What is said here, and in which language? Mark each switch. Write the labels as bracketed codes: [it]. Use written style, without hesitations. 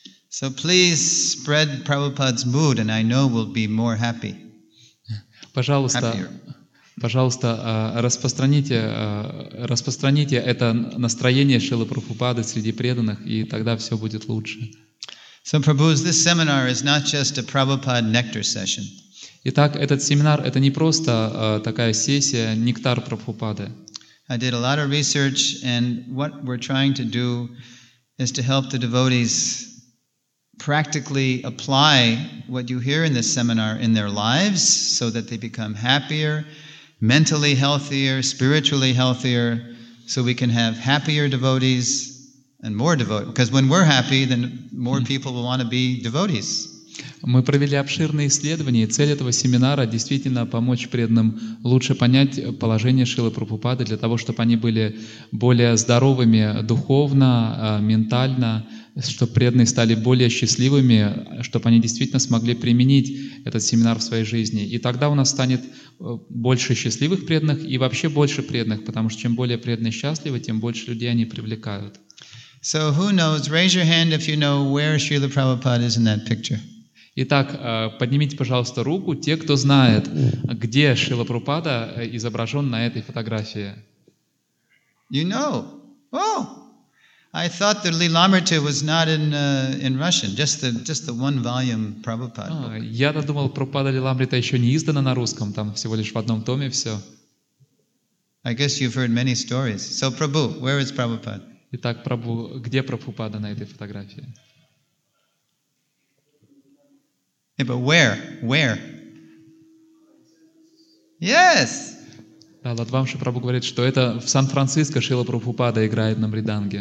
[en] So please spread Prabhupada's mood, and I know we'll be more happy. [ru] Пожалуйста, распространите это настроение Шрилы Прабхупады среди преданных, и тогда все будет лучше. [en] So Prabhu, this seminar is not just a Prabhupada nectar session. [ru] Итак, этот семинар это не просто такая сессия нектар Прабхупады. [en] I did a lot of research, and what we're trying to do is to help the devotees practically apply what you hear in this seminar in their lives so that they become happier, mentally healthier, spiritually healthier, so we can have happier devotees and more devotees. Because when we're happy, then more people will want to be devotees. [ru] Мы провели обширные исследования, и цель этого семинара действительно помочь преданным лучше понять положение Шрилы Прабхупады для того, чтобы они были более здоровыми духовно, ментально, чтобы преданные стали более счастливыми, чтобы они действительно смогли применить этот семинар в своей жизни. И тогда у нас станет больше счастливых преданных и вообще больше преданных, потому что чем более преданные счастливы, тем больше людей они привлекают. [en] So who knows? Raise your hand if you know where Srila Prabhupada is in that picture. [ru] Итак, поднимите, пожалуйста, руку, те, кто знает, где Шрила Прабхупада изображен на этой фотографии. [en] You know. Oh! I thought the Lilamrita was not in Russian, just the one volume Prabhupada. [ru] Я-то думал, Прабхупада Лиламрита еще не издана на русском, там всего лишь в одном томе все. [en] I guess you've heard many stories. So, Prabhu, where is Prabhupada? [ru] Итак, Прабху, где Прабхупада на этой фотографии? [en] Yeah, but where? Yes! [ru] Да, Ладвамши Прабху говорит, что это в Сан-Франциско Шрила Прабхупада играет на мриданге.